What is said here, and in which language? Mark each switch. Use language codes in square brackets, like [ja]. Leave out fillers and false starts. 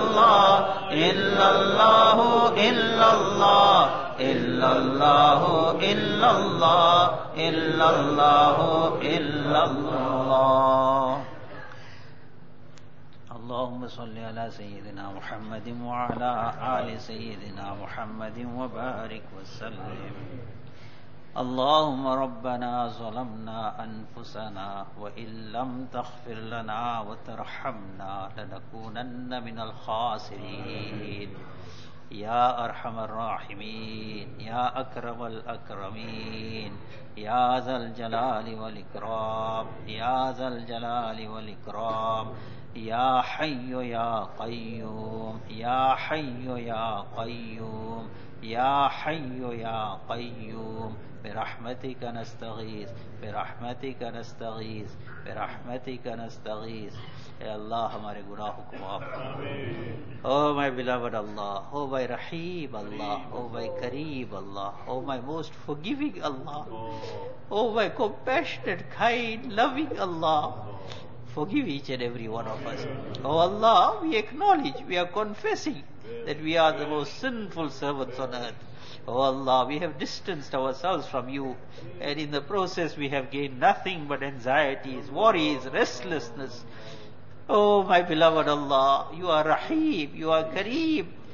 [ar] اللہ الا اللہ الا اللہ الا اللہ الا اللہ الا اللہ الا اللہ. اللهم صل على سيدنا محمد وعلى آل سيدنا محمد وبارك وسلم. اللهم ربنا ظلمنا أنفسنا وإن لم تغفر لنا وترحمنا لنكونن من الخاسرين. يا أرحم الراحمين, يا أكرم الأكرمين, يا ذا الجلال والإكرام, يا ذا الجلال والإكرام, يا حي يا قيوم, يا حي يا قيوم, يا حي يا قيوم, برحمتك نستغيث, برحمتك نستغيث, برحمتك نستغيث. [ur] اے اللہ ہمارے گناہوں کو معاف کر. [en] Oh my beloved Allah, oh my رحیم Allah, oh my قریب Allah, oh my most forgiving Allah, oh my compassionate kind loving Allah, forgive each and every one of us. Oh Allah, we acknowledge, we are confessing that we are the most sinful servants on earth. Oh Allah, we have distanced ourselves from you, and in the process we have gained nothing but anxieties, worries, restlessness. Oh my beloved Allah, you are Rahim, you are Kareem.